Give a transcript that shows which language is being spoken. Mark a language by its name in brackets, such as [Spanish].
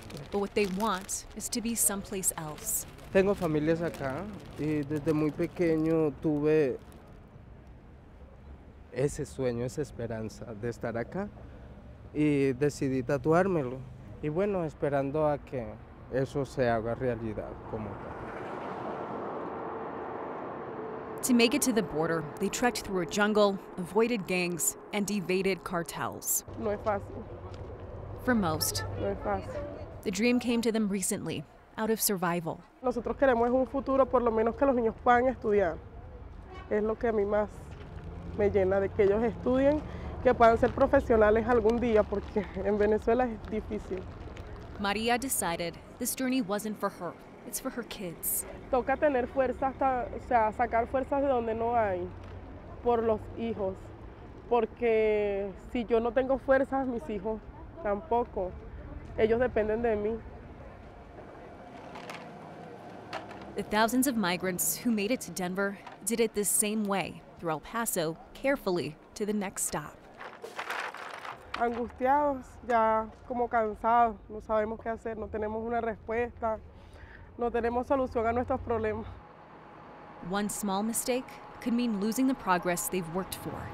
[English] But what they want is to be someplace else. [Spanish] Tengo familias acá y desde muy pequeño tuve ese sueño, esa esperanza de estar acá y decidí tatuármelo. Y bueno, esperando a que eso se haga realidad como tal. [English] To make it to the border, they trekked through a jungle, avoided gangs, and evaded cartels. [Spanish] No es fácil. [English] For most, [Spanish] no es fácil. [English] The dream came to them recently, out of survival. [Spanish] Nosotros queremos un futuro, por lo menos que los niños puedan estudiar. Es lo que a mí más me llena, de que ellos estudien, que puedan ser profesionales algún día, porque en Venezuela es difícil. [English] Maria decided this journey wasn't for her. It's for her kids. [Spanish] Toca tener fuerza hasta, o sea, sacar fuerzas de donde no hay, por los hijos. Porque si yo no tengo fuerzas, mis hijos tampoco. Ellos dependen de mí. [English] The thousands of migrants who made it to Denver did it the same way, through El Paso, carefully, to the next stop. [Spanish] Angustiados, ya como cansados, no sabemos qué hacer, no tenemos una respuesta. No tenemos solución a nuestros problemas. [English] One small mistake could mean losing the progress they've worked for.